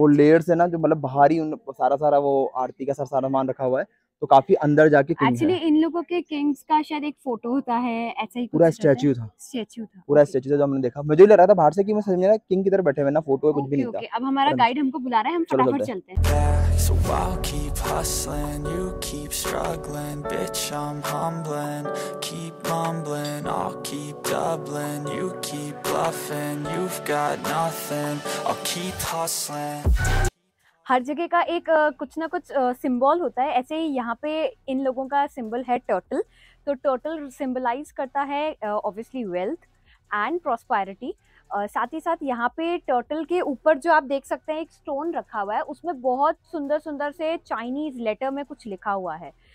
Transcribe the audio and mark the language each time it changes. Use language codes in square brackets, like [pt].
[hi] वो लेयर्स है ना जो मतलब बाहर ही सारा वो आरती का सारा सामान रखा हुआ है, तो काफी अंदर जाके एक्चुअली इन लोगों के किंग्स का शायद एक फोटो होता है, ऐसा ही पूरा स्टैच्यू था। पूरा स्टैच्यू था जो हमने देखा, मुझे लग रहा था बाहर से कि मैं समझ रहा किंग किधर बैठे हुए ना, फोटो है कुछ भी नहीं था। अब हमारा गाइड हमको बुला रहा है, हम फटाफट चलते हैं। [en] Struggling, bitch, I'm humbling. Keep mumbling, I'll keep doubling. You keep bluffing, you've got nothing. I'll keep hustling. [hi] हर जगह का एक कुछ ना कुछ सिंबल होता है, ऐसे ही यहाँ पे इन लोगों का सिंबल है टर्टल। तो टर्टल सिंबलाइज करता है ऑब्वियसली [en] Wealth and prosperity. [hi] साथ ही साथ यहाँ पे टर्टल के ऊपर जो आप देख सकते हैं एक स्टोन रखा हुआ है, उसमें बहुत सुंदर सुंदर से चाइनीज लेटर में कुछ लिखा हुआ है।